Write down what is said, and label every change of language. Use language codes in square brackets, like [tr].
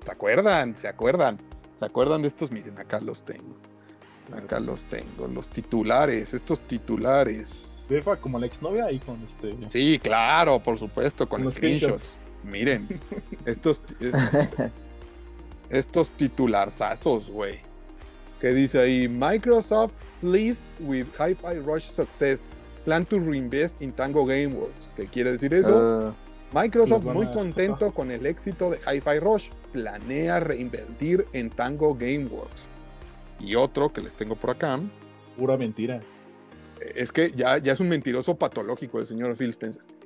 [es] ¿Te acuerdan? ¿Se acuerdan? ¿Se acuerdan de estos? Miren, acá los tengo. Acá los tengo. Los titulares, estos titulares. Sefa, como la exnovia ahí con Sí, claro, por supuesto, con [en] screenshots. [es] Miren, estos titularzazos, güey. ¿Qué dice ahí? [en] Microsoft pleased with Hi-Fi Rush success. Plan to reinvest in Tango Gameworks. [es] ¿Qué quiere decir eso? Microsoft muy contento con el éxito de Hi-Fi Rush. Planea reinvertir en Tango Gameworks. Y otro que les tengo por acá. Pura mentira. Es que ya es un mentiroso patológico el señor Phil Spencer.